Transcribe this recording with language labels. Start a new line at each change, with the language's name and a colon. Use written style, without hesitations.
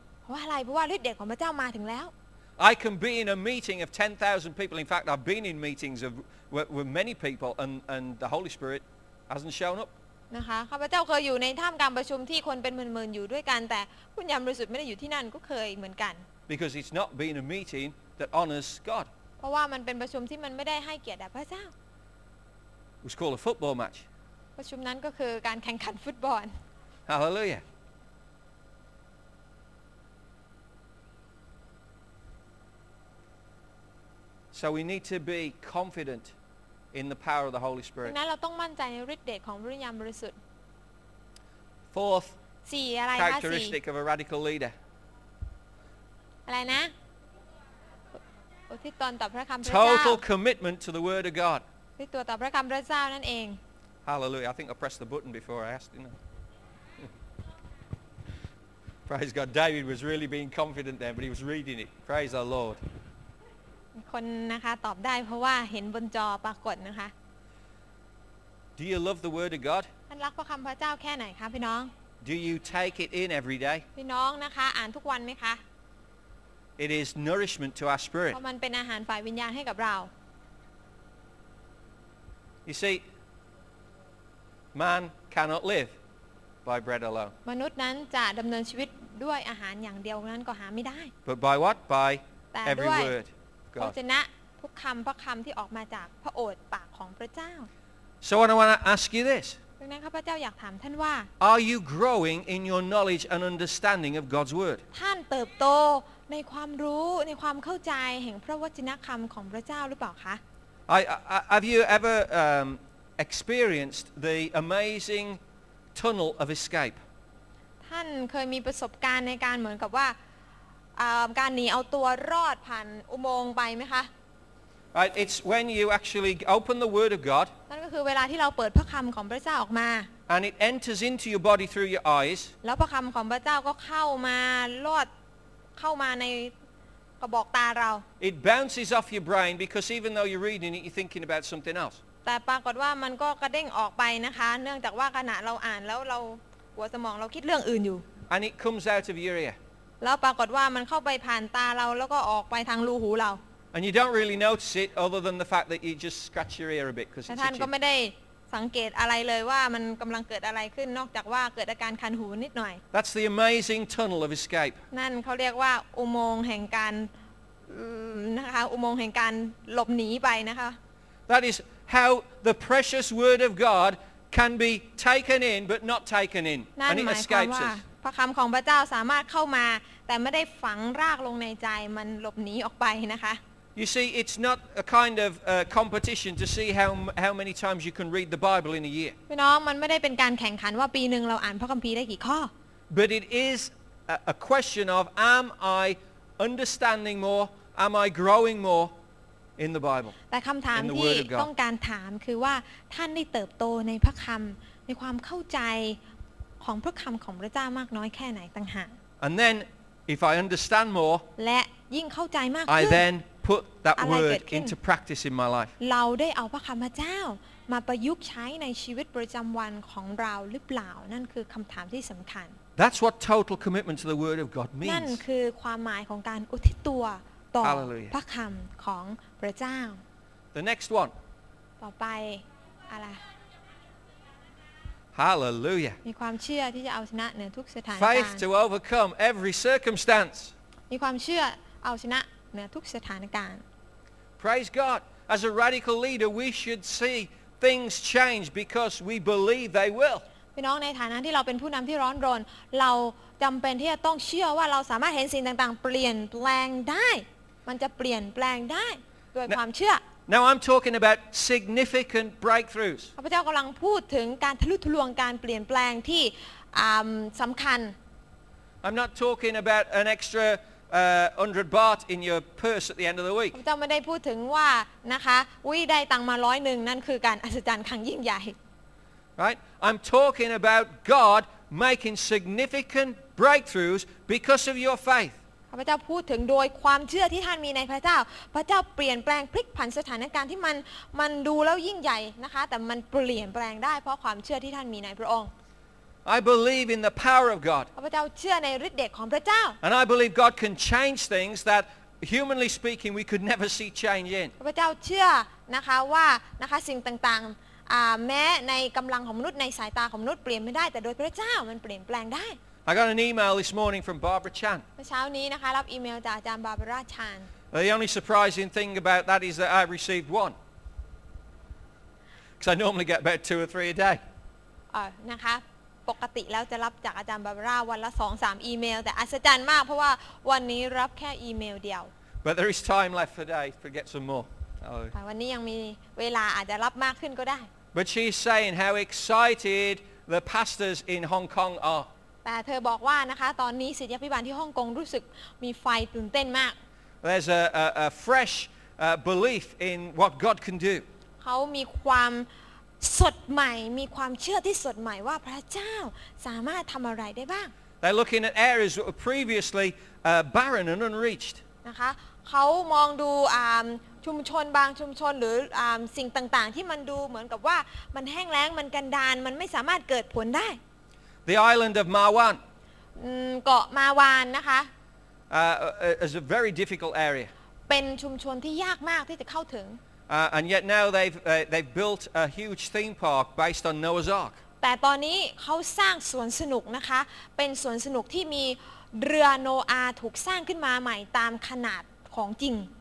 Thai: เพราะอะไรเพราะว่าฤทธิ์เดชของพระเจ้ามาถึงแล้ว
English: I can be in a meeting of 10,000 people. In fact, I've been in meetings of with many people, and the Holy Spirit hasn't shown up.
Thai: นะคะข้าพเจ้าเคยอยู่ในท่ามกลางประชุมที่คนเป็นหมื่นๆอยู่ด้วยกันแต่พระวิญญาณบริสุทธิ์ไม่ได้อยู่ที่นั่นก็เคยเหมือนกัน
English: Because it's not been a meeting that honors God.
Thai: เพราะว่ามันเป็นประชุมที่มันไม่ได้ให้เกียรติแด่พระเจ้า
English: It was called a football match.
Thai: ประชุมนั้นก็คือการแข่งขันฟุตบอล
English: Hallelujah. So we need to be confident in the power of the Holy Spirit.
Thai: ดังนั้นเราต้องมั่นใจในฤทธิ์เดชของพระวิญญาณบริสุทธิ์
English: Fourth characteristic of a radical leader.
Thai: อะไรนะอธิษฐานต่อพระคำพระเ
English: จ้า Total commitment to the Word of God.
Thai: ด้วยตัวต่อพระคำพระเจ้านั่นเอง
English: Hallelujah! I think I pressed the button before I asked. You know. Praise God! David was really being confident then, but he was reading it. Praise the Lord.
Thai: คนนะคะตอบได้เพราะว่าเห็นบนจอปรากฏนะคะ
English: Do you love the word of God?
Thai: ท่านรักพระคำพระเจ้าแค่ไหนคะพี่น้อง
English: Do you take it in every day?
Thai: พี่น้องนะคะอ่านทุกวันไหมคะ
English: It is nourishment to our spirit.
Thai: เพราะมันเป็นอาหารฝ่ายวิญญาณให้กับเรา
English: You see, man cannot live by bread alone.
Thai: มนุษย์นั้นจะดำเนินชีวิตด้วยอาหารอย่างเดียวนั้นก็หาไม่ได้
English: But by what? By every word.
Thai: พระเจ้าทุกคำพระคำที่ออกมาจากพระโอษฐ์ปากของพระเจ้า
English: So I want to ask you this
Thai: ดังนั้นข้าพเจ้าอยากถามท่านว่า
English: Are you growing in your knowledge and understanding of God's word
Thai: ท่านเติบโตในความรู้ในความเข้าใจแห่งพระวจนะคำของพระเจ้าหรือเปล่าคะ
English: Have you ever experienced the amazing tunnel of escape
Thai: ท่านเคยมีประสบการณ์ในการเหมือนกับว่าการหนีเอาตัวรอดผ่านอุโมงค์ไปไหมคะ
English: Right, it's when you actually open the Word of God.
Thai: นั่นก็คือเวลาที่เราเปิดพระคำของพระเจ้าออกมา
English: And it enters into your body through your eyes.
Thai: แล้วพระคำของพระเจ้าก็เข้ามาลอดเข้ามาในกระบอกตาเรา
English: It bounces off your brain because even though you're reading it, you're thinking about something else.
Thai: แต่ปรากฏว่ามันก็กระเด้งออกไปนะคะเนื่องจากว่าขณะเราอ่านแล้วเราหัวสมองเราคิดเรื่องอื่นอยู่
English: And it comes out of your ear.
Thai: แล้วปรากฏว่ามันเข้าไปผ่านตาเราแล้วก็ออกไปทางรูหูเรา
English: And you don't really notice it other than the fact that you just scratch your ear a bit because
Thai: ท่านก็ไม่ได้สังเกตอะไรเลยว่ามันกำลังเกิดอะไรขึ้นนอกจากว่าเกิดอาการคันหูนิดหน่อย
English: That's the amazing tunnel of escape
Thai: นั่นเขาเรียกว่าอุโมงค์แห่งการนะคะอุโมงค์แห่งการหลบหนีไปนะคะ
English: That is how the precious word of God can be taken in but not taken in and it escapes us
Thai: พระคำของพระเจ้าสามารถเข้ามาแต่ไม่ได้ฝังรากลงในใจมันหลบหนีออกไปนะคะ
English: You see it's not a kind of competition to see how many times you can read the Bible in a year
Thai: พี่น้องมันไม่ได้เป็นการแข่งขันว่าปีนึงเราอ่านพระคัมภีร์ได้กี่ข้อ
English: But it is a question of am I understanding more am I growing more in the Bible
Thai: แต่คำถามที่ต้องการถามคือว่าท่านได้เติบโตในพระคำมีความเข้าใจของพระคำของพระเจ้ามากน้อยแค่ไหนต่างหาก
English: And then if I understand more
Thai: และยิ่งเข้าใจมากขึ้น
English: I then put that word into practice in my life.
Thai: เราได้เอาพระคำพระเจ้ามาประยุกต์ใช้ในชีวิตประจำวันของเราหรือเปล่านั่นคือคำถามที่สำคัญ
English: That's what total commitment to the word of God means.
Thai: นั่นคือความหมายของการอุทิศตัวต่อพระคำของพระเจ้า
English: The next one.
Thai: ต่อไปอะไร
English: Hallelujah.
Thai: มีความเชื่อที่จะเอาชนะเหนือทุกสถานการณ์
English: Faith to overcome every circumstance.
Thai: มีความเชื่อเอาชนะเหนือทุกสถานการณ์
English: Praise God. As a radical leader, we should see things change because we believe they will.
Thai: พี่น้องในฐานะที่เราเป็นผู้นำที่ร้อนรนเราจำเป็นที่จะต้องเชื่อว่าเราสามารถเห็นสิ่งต่างๆเปลี่ยนแปลงได้มันจะเปลี่ยนแปลงได้ด้วยความเชื่อ
English: Now I'm talking about significant breakthroughs.
Thai: พระเจ้ากำลังพูดถึงการทะลุทะลวงการเปลี่ยนแปลงที่สำคัญ
English: I'm not talking about an extra 100 baht in your purse at the end of the week.
Thai: พระเจ้าไม่ได้พูดถึงว่านะคะอุ้ยได้ตังมา101นั่นคือการอัศจรรย์ครั้งยิ่งใหญ่
English: Right? I'm talking about God making significant breakthroughs because of your faith.
Thai: พระเจ้าพูดถึงโดยความเชื่อที่ท่านมีในพระเจ้าพระเจ้าเปลี่ยนแปลงพลิกผันสถานการณ์ที่มันดูแล้วยิ่งใหญ่นะคะแต่มันเปลี่ยนแปลงได้เพราะความเชื่อที่ท่านมีในพระองค์
English: I believe in the power of God
Thai: พระเจ้าเชื่อในฤทธิ์เดชของพระเจ้า
English: And I believe God can change things that humanly speaking we could never see change in
Thai: พระเจ้าเชื่อนะคะว่านะคะสิ่งต่างๆแม้ในกำลังของมนุษย์ในสายตาของมนุษย์เปลี่ยนไม่ได้แต่โดยพระเจ้ามันเปลี่ยนแปลงได้
English: I got an email this morning from Barbara Chan.
Thai: เมื่อเช้านี้นะคะรับอีเมลจากอาจารย์ Barbara Chan.
English: The only surprising thing about that is that I received one. Because I normally get about two or three a day.
Thai: นะคะปกติแล้วจะรับจากอาจารย์ Barbara วันละ 2-3 อีเมลแต่อัศจรรย์มากเพราะว่าวันนี้รับแค่อีเมลเดียว
English: But there is time left for today to get some more.
Thai: วันนี้ยังมีเวลาอาจจะรับมากขึ้นก็ได้
English: But she's saying how excited the pastors in Hong Kong are.
Thai: แต่เธอบอกว่านะคะตอนนี้ศิษยาภิบาลที่ฮ่องกงรู้สึกมีไฟตื่นเต้นมาก
English: There's a fresh belief in what God can do
Thai: เขามีความสดใหม่มีความเชื่อที่สดใหม่ว่าพระเจ้าสามารถทำอะไรได้บ้าง
English: They're looking at areas that were previously barren and unreached
Thai: นะคะเขามองดูชุมชนบางชุมชนหรือสิ่งต่างๆที่มันดูเหมือนกับว่ามันแห้งแล้งมันกันดารมันไม่สามารถเกิดผลได้
English: The island of Mawan.
Thai: เกาะมาวานนะคะ
English: is a very difficult area.
Thai: เป็นชุมชนที่ยากมากที่จะเข้าถึง
English: And yet now they've built a huge theme park based on Noah's Ark.
Thai: แต่ตอนนี้เขาสร้างสวนสนุกนะคะเป็นสวนสนุกที่มีเรือโนอาห์ถูกสร้างขึ้นมาใหม่ตามขนาดของจริง